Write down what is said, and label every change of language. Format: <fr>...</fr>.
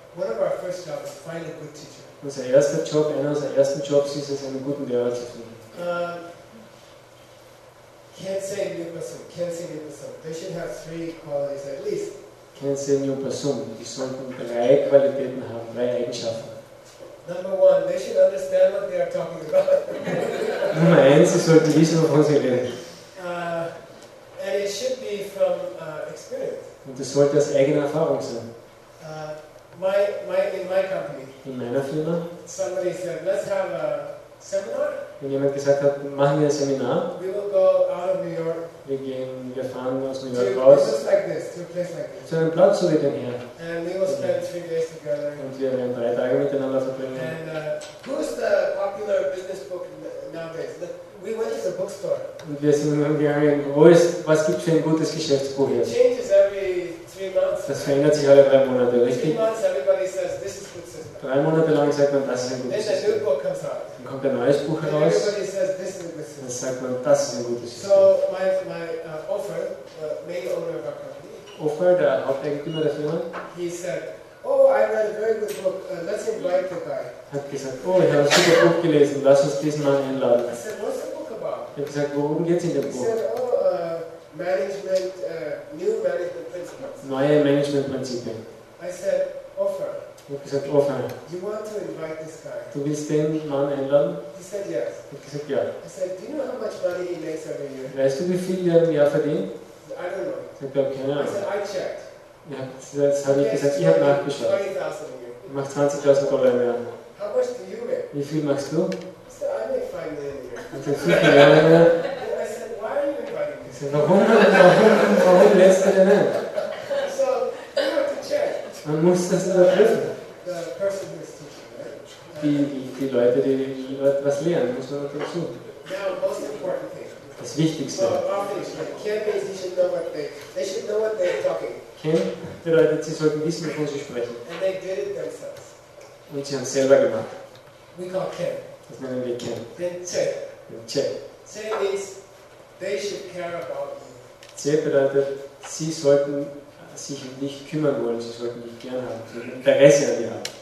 <en>One of our first jobs is find a good teacher.</en> <de>Unser erster Job, einer unserer ersten Jobs, ist es, einen guten Lehrer zu finden.</de> <en>Kensei Nyupasum. Kensei Nyupasum. They should have three qualities at least.</en> <de>Kensei Nyupasum. Die sollten drei Qualitäten haben, drei Eigenschaften.</de> <en>Number one, they should understand what they are talking about.</en> <de>Nummer eins, sie sollten wissen, wovon sie reden.</de> <en>And it should be from experience.</en> <de>Und das sollte aus eigener Erfahrung sein.</de> <en>In my company.</en> <de>In meiner Firma.</de> <en>Somebody said, let's have a seminar.</en> <de>Wenn jemand gesagt hat, machen wir ein Seminar.</de> <en>We will go out of New York.</en> <de>Wir fahren aus New York</de> <en>to</en> <de>raus.</de> <en>To a place like this. To a place like this.</en> <de>Zu einem Platz so wie den hier.</de> <en>And we will spend 3 days together.</en> <de>Und wir werden 3 Tage miteinander verbringen.</de> <en>And who's the popular business book nowadays? We went to the bookstore.</en> <de>Und wir sind in Hungarian. Was gibt es für ein gutes Geschäftsbuch hier? Das verändert sich alle 3 Monate, richtig?</de> <en>3 months, everybody says, this is good system.</en> <de>3 Monate lang sagt man, das ist ein gutes</de> <en>then</en> <de>System.</de> <en>New book comes out.</en> <de>Dann kommt ein neues Buch</de> <en>and</en> <de>heraus.</de> <en>Everybody says, this is a good system.</en> <de>Dann sagt man, das ist ein gutes System.</de> <en>So, my Offer, the main owner of our company.</en> <de>Offer, der Haupteigentümer der Firma.</de> <en>He said, oh, I read a very good book, let's invite the guy.</en> <de>Hat gesagt, oh, ich habe ein super Buch gelesen, lass uns diesen Mann einladen.</de> <en>I said, what's the book about?</en> <de>Er hat gesagt, worum geht es in dem</de> <en>he</en> <de>Buch?</de> <en>Said, oh, management, new management principles.</en> <de>Neue Managementprinzipien.</de> <en>I said, offer.</en> <de>Ich habe gesagt, offer.</de> <en>You want to invite this guy?</en> <de>Du willst den Mann einladen?</de> <en>He said, yes.</en> <de>Ich habe gesagt, ja.</de> <en>I said, do you know how much money he makes every year?</en> <de>Weißt du, wie viel er im Jahr verdient?</de> <en>I don't know.</en> <de>Ich habe gesagt, keine Ahnung.</de> <en>I said, I checked.</en> <de>Ja, das habe ich gesagt, ich habe nachgeschaut. Ich mache 20.000 Dollar im Jahr.</de> <en>How much do you make?</en> <de>Wie viel machst du?</de> <en>I said, I make 5 million a year.</en> <de>Ich habe gesagt, 5 Millionen. Warum lässt er den ein?</de> <en>So, you have to check.</en> <de>Man muss das überprüfen.</de> <en>The person who is teaching, right?</en> <de>Die Leute, die etwas lernen, muss man dazu.</de> <en>Now, most important thing.</en> <de>Das Wichtigste.</de> <en>Well, obviously, they should know what they're talking.</en> <de>kennen, bedeutet, sie sollten wissen, wovon sie sprechen.</de> <en>And they did it themselves.</en> <de>Und sie haben es selber gemacht.</de> <en>We call Ken.</en> <de>Das nennen wir Ken. Den Che.</de> <en>Che means they should care about you.</en> <de>Che bedeutet, sie sollten sich um dich kümmern wollen, sie sollten dich gerne haben, sie sollten Interesse an dir haben.</de>